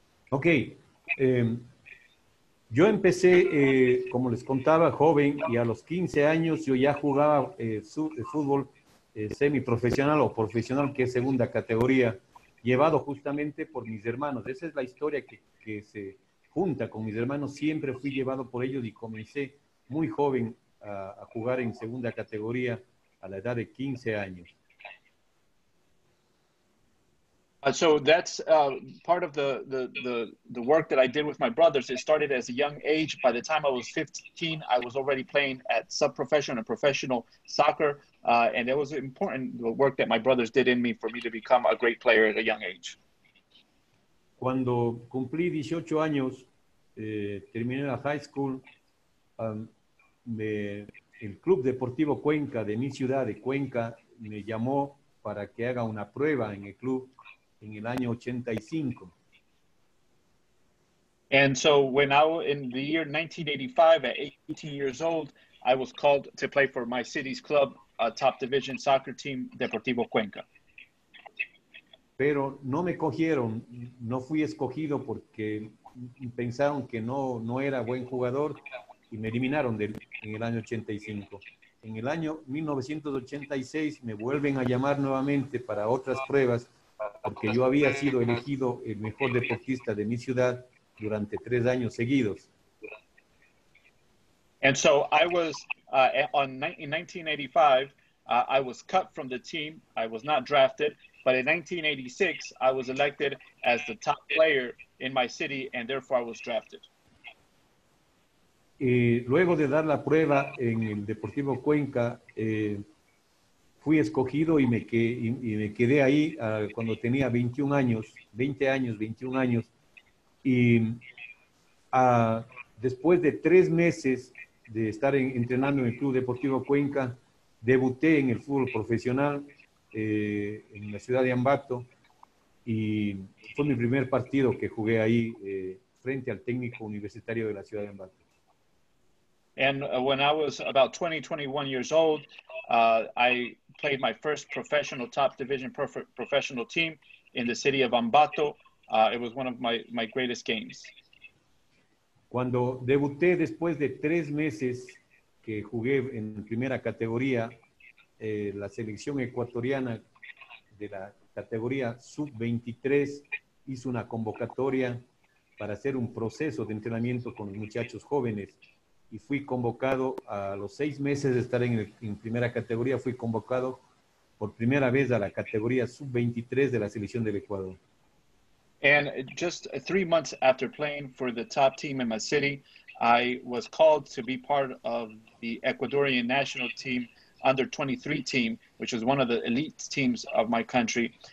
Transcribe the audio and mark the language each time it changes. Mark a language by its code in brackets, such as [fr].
[es] Ok, yo empecé, como les contaba, joven, y a los 15 años yo ya jugaba fútbol semiprofesional o profesional, que es segunda categoría, llevado justamente por mis hermanos. Esa es la historia que se junta con mis hermanos. Siempre fui llevado por ellos y comencé muy joven a jugar en segunda categoría a la edad de 15 años. [en] So that's part of the work that I did with my brothers. It started as a young age. By the time I was 15, I was already playing at sub-professional and professional soccer. And it was important, the work that my brothers did in me, for me to become a great player at a young age. [es] Cuando cumplí 18 años, terminé la high school, el Club Deportivo Cuenca de mi ciudad de Cuenca me llamó para que haga una prueba en el club. En el año 85. [en] And so when I was in the year 1985, at 18 years old, I was called to play for my city's club, a top division soccer team, Deportivo Cuenca. [es] Pero no me cogieron, no fui escogido porque pensaron que no era buen jugador y me eliminaron en el año 85. En el año 1986 me vuelven a llamar nuevamente para otras pruebas, porque yo había sido elegido el mejor deportista de mi ciudad durante 3 años seguidos. [en] And so I was in 1985, I was cut from the team. I was not drafted, but in 1986 I was elected as the top player in my city, and therefore I was drafted. [es] Y luego de dar la prueba en el Deportivo Cuenca, fui escogido y me quedé ahí cuando tenía 21 años, 20 años, 21 años. Y después de 3 meses de estar entrenando en el Club Deportivo Cuenca, debuté en el fútbol profesional en la ciudad de Ambato. Y fue mi primer partido que jugué ahí frente al técnico universitario de la ciudad de Ambato. [en] And when I was about 20, 21 years old, I played my first professional top division professional team in the city of Ambato. It was one of my greatest games. [es] Cuando debuté después de tres meses que jugué en primera categoría, la selección ecuatoriana de la categoría sub-23 hizo una convocatoria para hacer un proceso de entrenamiento con los muchachos jóvenes y fui convocado a los seis meses de estar en primera categoría, fui convocado por primera vez a la categoría sub-23 de la selección del Ecuador. [en] And just 3 months after playing for the top team in my city, I was called to be part of the Ecuadorian national team, under 23 team, which is one of the elite teams of my country.